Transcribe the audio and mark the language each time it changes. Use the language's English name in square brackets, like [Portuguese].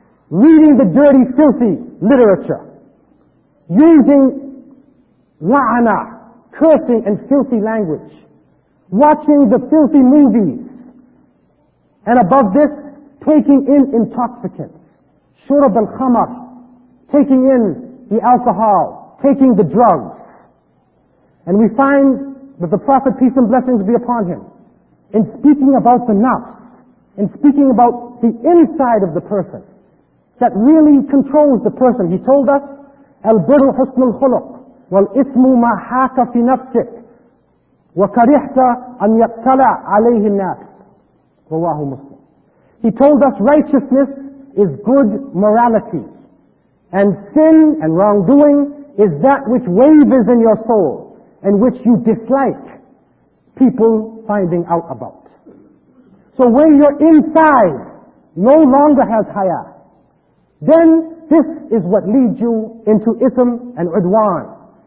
[English] Reading the dirty, filthy literature, using la'ana, cursing and filthy language, watching the filthy movies, and above this, taking in intoxicants, shurab al-khamar, taking in the alcohol, taking the drugs. And we find that the Prophet, peace and blessings be upon him, in speaking about the nafs, in speaking about the inside of the person that really controls the person, he told us, [Arabic] al-birru husnul khuluq, والإثم ما حاك في نفسك وكرهت أن يطلع عليه الناس رواه مسلم. [English] He told us righteousness is good morality and sin and wrongdoing is that which wavers in your soul and which you dislike people finding out about. So when your inside no longer has haya, then this is what leads you into ism and udwan.